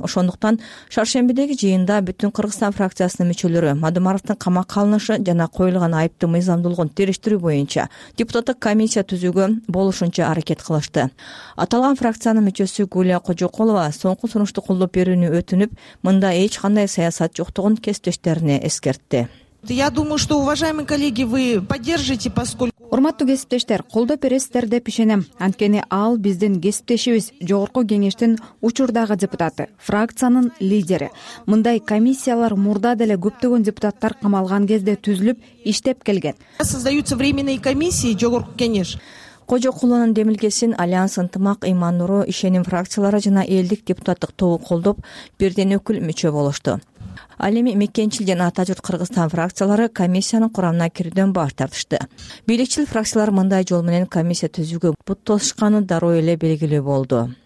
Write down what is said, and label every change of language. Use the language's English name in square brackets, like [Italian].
[Kyrgyz] Ошондуктан шаршембидеги жыйында Бүтүн Кыргызстан фракциясынын мүчөлөрү Мадумаровдун камакка алынышы жана коюлган айыптын мыйзамдуулугун териштирүү боюнча депутаттык комиссия түзүүгө болушунча аракет кылышты. Аталган фракциянын мүчөсү Гүлия Кожокулова соңку сунушту колдоп берүүнү өтүнүп, мында эч кандай саясат жоктугун кесиптештерине эскертти. [Russian] Я думаю, что уважаемые коллеги, вы поддержите, поскольку [Kyrgyz] урматтуу кесиптештер, колдоп бересиздер деп ишенем. Анткени ал биздин кесиптешибиз, жогорку кеңештин учурдагы депутаты, фракциянын лидери. Мындай комиссиялар мурда деле көптөгөн депутаттар камалган кезде түзүлүп, иштеп келген. [Russian] Создаются временные комиссии, жогорку кеңеш. [Kyrgyz] Кожокулунун демилгесин Альянс Ынтымак, Иман Нуру, Ишеним фракциялары жана элдик депутаттык тобу колдоп, бирден өкүл мүчө болушту. Ал эми Мекенчилден Атажурт Кыргызстан фракциялары комиссиянын курамына кирүүдөн баш тартышты. Бийликчил фракциялар мындай жол менен комиссия түзүүгө бут тосушканы дароо эле белгилүү болду.